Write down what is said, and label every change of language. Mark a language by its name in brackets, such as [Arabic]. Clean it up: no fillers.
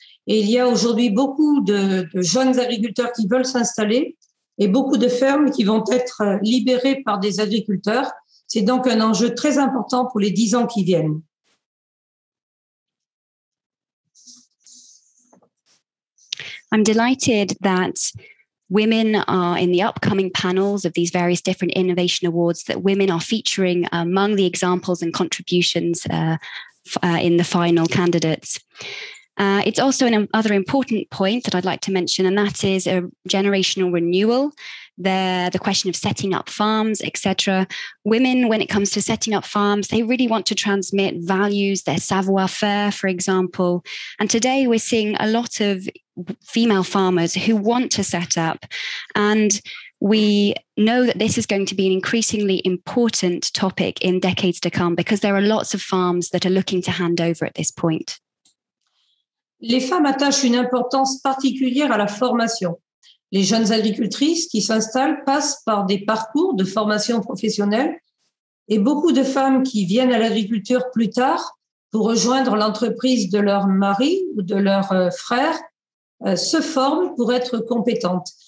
[French] Et il y a aujourd'hui beaucoup de jeunes agriculteurs qui veulent s'installer et beaucoup de fermes qui vont être libérées par des agriculteurs. C'est donc un enjeu très important pour les 10 ans qui viennent. [English] I'm delighted that women are in the upcoming panels of these various different innovation awards, that women are featuring among the examples and contributions in the final candidates. It's also another important point that I'd like to mention, and that is a generational renewal. The question of setting up farms, etc. Women, when it comes to setting up farms, they really want to transmit values, their savoir-faire, for example. And today we're seeing a lot of female farmers who want to set up. And we know that this is going to be an increasingly important topic in decades to come, because there are lots of farms that are looking to hand over at this point. [French] Les femmes attachent une importance particulière à la formation. Les jeunes agricultrices qui s'installent passent par des parcours de formation professionnelle et beaucoup de femmes qui viennent à l'agriculture plus tard pour rejoindre l'entreprise de leur mari ou de leur frère se forment pour être compétentes.